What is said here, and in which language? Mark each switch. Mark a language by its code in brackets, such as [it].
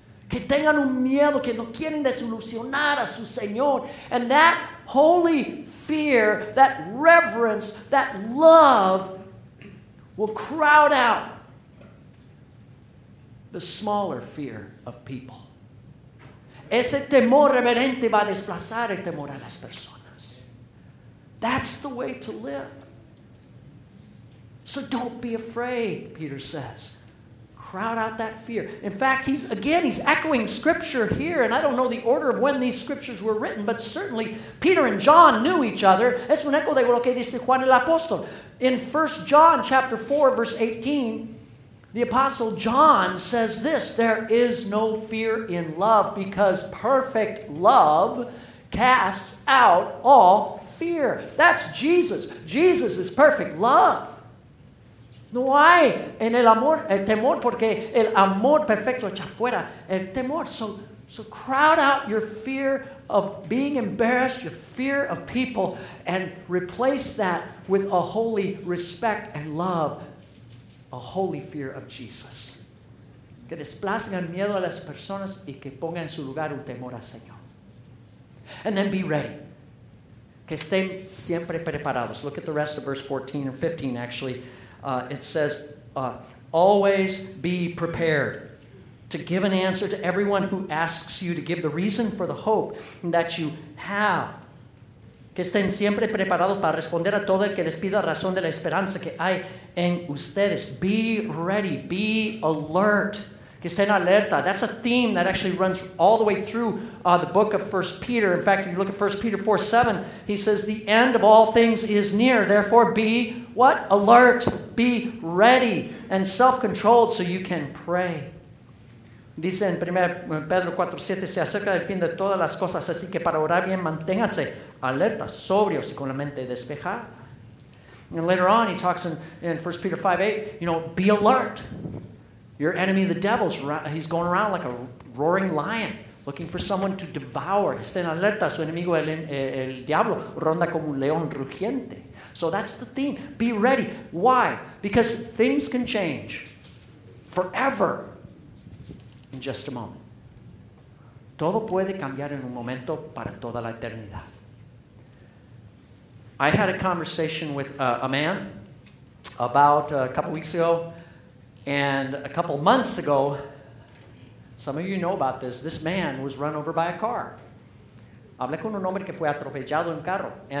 [es] Que tengan un miedo, que no quieren desilusionar a su Señor. [en] And that holy fear, that reverence, that love will crowd out the smaller fear of people. [es] Ese temor reverente va a desplazar el temor a las personas. [en] That's the way to live. So don't be afraid, Peter says. Crowd out that fear. In fact, he's echoing Scripture here, and I don't know the order of when these Scriptures were written, but certainly Peter and John knew each other. [es] Es un eco de lo que dice Juan el Apóstol. [en] In 1 John chapter 4, verse 18, the Apostle John says this, there is no fear in love because perfect love casts out all fear. That's Jesus. Jesus is perfect love. [es] No hay en el amor el temor porque el amor perfecto echa fuera el temor. [en] So crowd out your fear of being embarrassed, your fear of people, and replace that with a holy respect and love, a holy fear of Jesus. [es] Que desplacen el miedo a las personas y que pongan en su lugar un temor al Señor. [en] And then be ready. [es] Que estén siempre preparados. [en] Look at the rest of verse 14 and 15 actually. It says, always be prepared to give an answer to everyone who asks you to give the reason for the hope that you have [es] que estén siempre preparados para responder a todo el que les pida razón de la esperanza que hay en ustedes. [en] Be ready, be alert. [es] Que estén alerta. [en] That's a theme that actually runs all the way through the book of 1 Peter. In fact, if you look at 1 Peter 4:7, he says, the end of all things is near. Therefore, be what? Alert. Be ready and self-controlled so you can pray. [es] Dice en 1 Pedro 4:7, se acerca el fin de todas las cosas, así que para orar bien, manténganse alerta, sobrios y con la mente despejada. [en] And later on, he talks in 1 Peter 5:8, you know, be alert. Your enemy, the devil, he's going around like a roaring lion, looking for someone to devour. [es] Estén alerta, su enemigo, el diablo, ronda como un león rugiente. [en] So that's the theme. Be ready. Why? Because things can change forever in just a moment. [es] Todo puede cambiar en un momento para toda la eternidad. [en] I had a conversation with a man about a couple weeks ago. And a couple months ago, some of you know about this, this man was run over by a car. [es] Hablé con un hombre que fue atropellado en carro.